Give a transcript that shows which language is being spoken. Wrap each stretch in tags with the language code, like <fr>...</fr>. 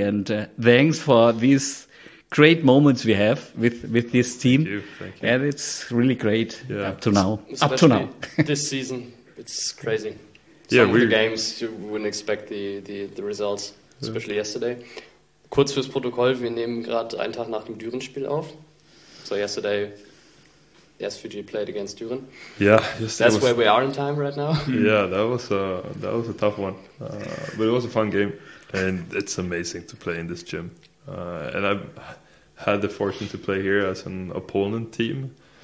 <en>And thanks for these great moments we have with this team. Thank you. And it's really great up to now. This season, it's crazy. Some of the games, you wouldn't expect the results, especially yesterday.</en> <de>Kurz fürs Protokoll, wir nehmen gerade einen Tag nach dem Düren-Spiel auf.</de> <en>So yesterday, SVG played against Düren. Yeah, that's where we are in time right now. Yeah, that was a tough one. But it was a fun game, and it's amazing to play in this gym. And I've had the fortune to play here as an opponent team.</en>